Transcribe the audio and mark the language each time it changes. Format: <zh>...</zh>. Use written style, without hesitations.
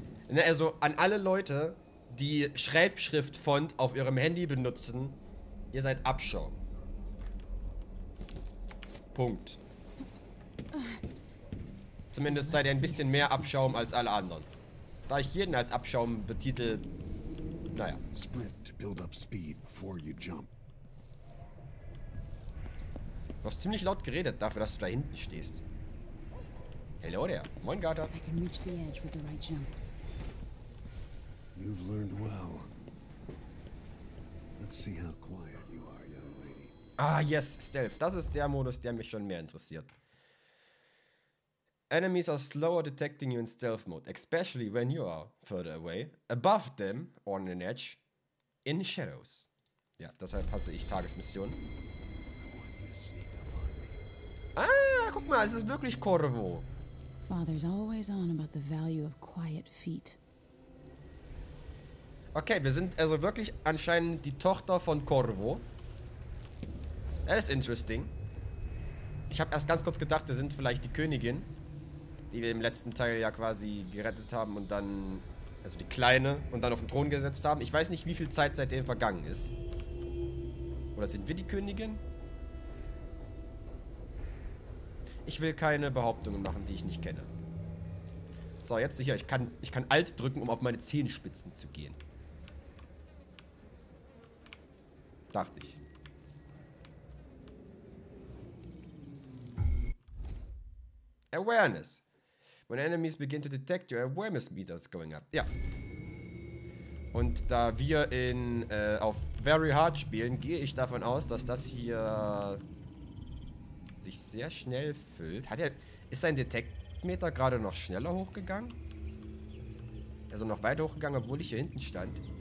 <de>Na, also an alle Leute, die Schreibschriftfont auf ihrem Handy benutzen, ihr seid Abschaum. Punkt. Zumindest seid ihr ein bisschen mehr Abschaum als alle anderen. Da ich jeden als Abschaum betitel, naja.</de> <en>Sprint to build up speed before you jump.</en> <de>Du hast ziemlich laut geredet, dafür, dass du da hinten stehst.</de> <en>Hello there. Moin, Garter. I can reach the edge with the right jump. You've learned well. Let's see how quiet you are, young lady. Ah, yes, Stealth.</en> <de>Das ist der Modus, der mich schon mehr interessiert.</de> <en>Enemies are slower detecting you in stealth mode, especially when you are further away, above them, on an edge, in shadows.</en> <de>Ja, deshalb passe ich Tagesmissionen. Ah, guck mal, es ist wirklich Corvo.</de> <en>Father's always on about the value of quiet feet.</en> <de>Okay, wir sind also wirklich anscheinend die Tochter von Corvo.</de> <en>That is interesting.</en> <de>Ich habe erst ganz kurz gedacht, wir sind vielleicht die Königin. die wir im letzten Teil ja quasi gerettet haben und dann, also die Kleine, und dann auf den Thron gesetzt haben. Ich weiß nicht, wie viel Zeit seitdem vergangen ist. Oder sind wir die Königin? Ich will keine Behauptungen machen, die ich nicht kenne. So, jetzt sicher, ich kann Alt drücken, um auf meine Zehenspitzen zu gehen. Dachte ich.</de> <en>Awareness. When enemies begin to detect your awareness meter is going up.</en> <de>Ja. Und da wir in auf Very Hard spielen, gehe ich davon aus, dass das hier sich sehr schnell füllt. Ist sein Detektmeter gerade noch schneller hochgegangen? Also noch weiter hochgegangen, obwohl ich hier hinten stand.</de>